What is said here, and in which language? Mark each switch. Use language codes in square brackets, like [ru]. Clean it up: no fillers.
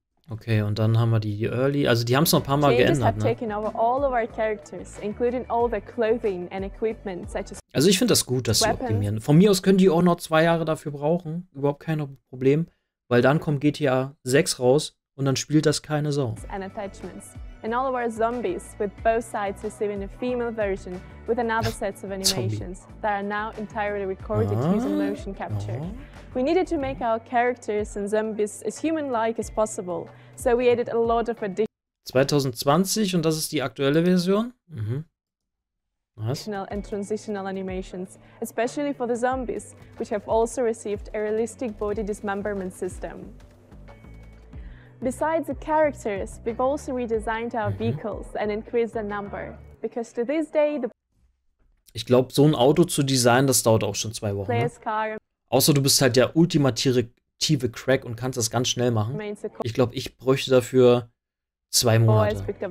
[de] Okay, und dann haben wir die Early. Also die haben es noch ein paar Mal geändert, ne? [en] Taken over all of our characters, including all the clothing and equipment, such as [de] also ich finde das gut, dass sie optimieren. Von mir aus können die auch noch 2 Jahre dafür brauchen. Überhaupt kein Problem. Weil dann kommt GTA 6 raus. Und dann spielt das keine Sau. [en] And attachments. And all of our zombies with both sides receiving a female version with another set of animations that are now entirely recorded using motion capture. We needed to make our characters and zombies as human-like as possible. So we added a lot of additional [de] 2020 und das ist die aktuelle Version? [en] Additional and transitional animations, especially for the zombies, which have also received a realistic body dismemberment system. Besides the characters, we've also redesigned our vehicles and increased the number. Because to this day, the... [de] Ich glaube, so ein Auto zu designen, das dauert auch schon 2 Wochen. Ne? Außer du bist halt der ultimative Crack und kannst das ganz schnell machen. Ich glaube, ich bräuchte dafür 2 Monate.